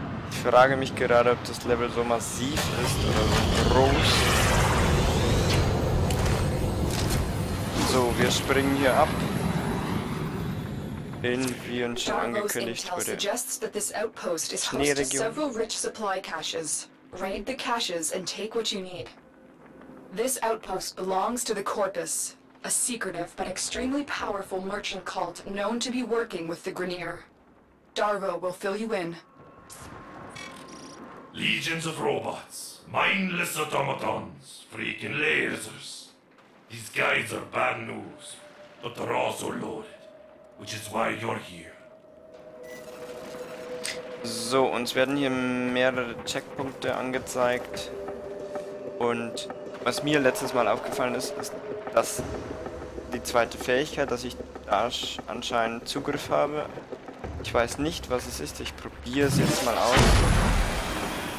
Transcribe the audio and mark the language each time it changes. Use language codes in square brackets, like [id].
[de] Ich frage mich gerade, ob das Level so massiv ist oder so groß. So, wir springen hier ab. In, wie uns schon angekündigt wurde, Schneeregion. [en] Several rich supply caches. Raid the caches and take what you need. This outpost belongs to the Corpus, a secretive but extremely powerful merchant cult known to be working with the Grineer. Darvo will fill you in. Legions of robots, mindless automatons, freaking lasers. These guys are bad news, but they're also loaded, which is why you're here. [de] So, uns werden hier mehrere Checkpunkte angezeigt. Und was mir letztes Mal aufgefallen ist, ist, dass die zweite Fähigkeit, dass ich da anscheinend Zugriff habe. Ich weiß nicht, was es ist, ich probiere es jetzt mal aus.